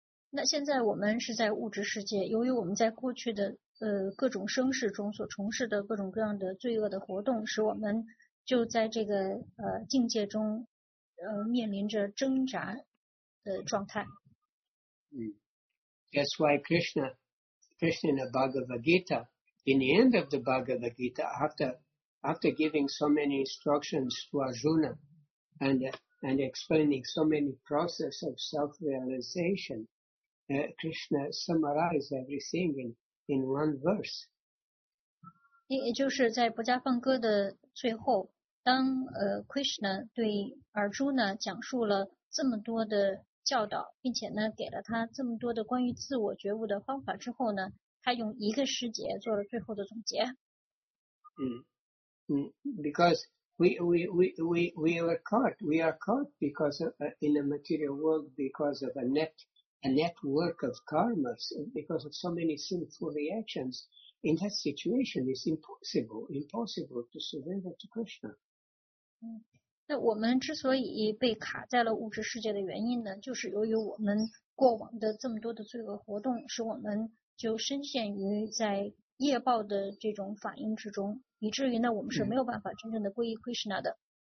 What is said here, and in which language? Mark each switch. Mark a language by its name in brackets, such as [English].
[Chinese] 那现在我们是在物质世界，由于我们在过去的各种生世中所从事的各种各样的罪恶的活动，使我们就在这个境界中面临着挣扎的状态。 [English] That's why Krishna in the Bhagavad Gita, in the end of the Bhagavad Gita, after giving so many instructions to Arjuna and explaining so many process of self-realization, Krishna summarized everything in one verse. [Chinese] 也就是在不加放歌的最后，当Krishna 对 Arjuna 讲述了这么多的教导，并且呢给了他这么多的关于自我觉悟的方法之后呢，他用一个诗节做了最后的总结。 [English] Because we are caught because of, in the material world because of a network of karmas, because of so many sinful reactions, in that situation it's impossible to surrender to Krishna. [Chinese] 那我们之所以被卡在了物质世界的原因呢，就是由于我们过往的这么多的罪恶活动，使我们就深陷于在业报的这种反应之中，以至于呢，我们是没有办法真正的皈依 Krishna 的。